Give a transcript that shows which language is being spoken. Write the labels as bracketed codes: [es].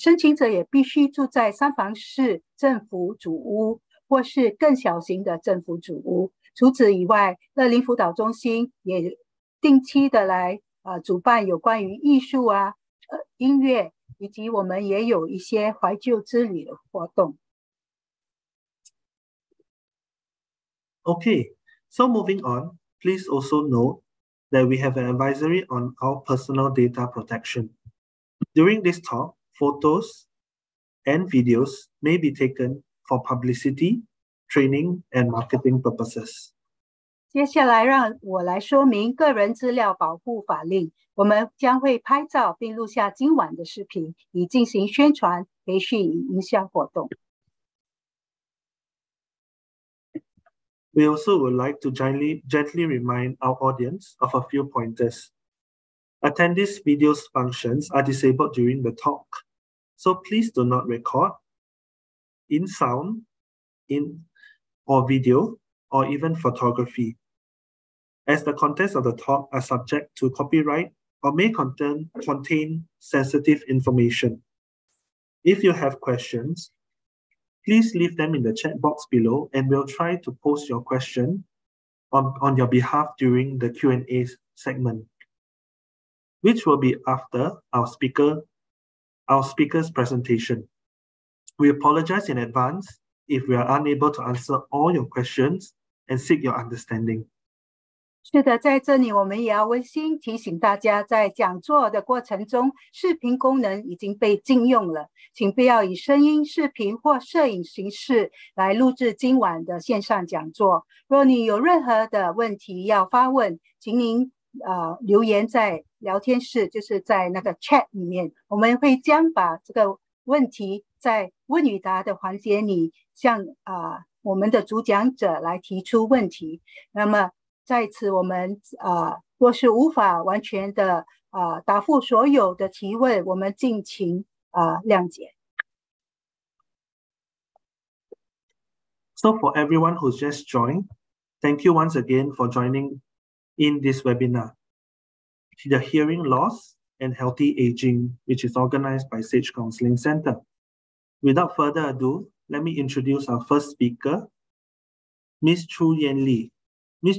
[zh] 申请者也必须住在三房式政府主屋，或是更小型的政府主屋。除此以外，乐龄辅导中心也定期的来主办有关于艺术啊、音乐，以及我们也有一些怀旧之旅的活动。 [en] Okay, so moving on, please also note that we have an advisory on our personal data protection. During this talk, photos and videos may be taken for publicity, training, and marketing purposes. [zh] 接下来让我来说明个人资料保护法令。我们将会拍照并录下今晚的视频，以进行宣传、培训与营销活动。 [en] We also would like to gently remind our audience of a few pointers. Attendees' video functions are disabled during the talk, so please do not record in sound, in or video, or even photography. As the contents of the talk are subject to copyright or may contain sensitive information. If you have questions, please leave them in the chat box below and we'll try to post your question on your behalf during the Q&A segment, which will be after our speaker's presentation. We apologize in advance if we are unable to answer all your questions and seek your understanding. [zh] 是的，在这里我们也要温馨提醒大家，在讲座的过程中，视频功能已经被禁用了，请不要以声音、视频或摄影形式来录制今晚的线上讲座。若你有任何的问题要发问，请您留言在聊天室，就是在那个 chat 里面，我们会将把这个问题在问与答的环节里向我们的主讲者来提出问题。那么在此我们若是无法完全的答复所有的提问，我们敬请谅解。 [en] So for everyone who's just joined, thank you once again for joining in this webinar, The Hearing Loss and Healthy Aging, which is organized by Sage Counselling Center. Without further ado, let me introduce our first speaker, Ms. Chu Yen Lee. Ms.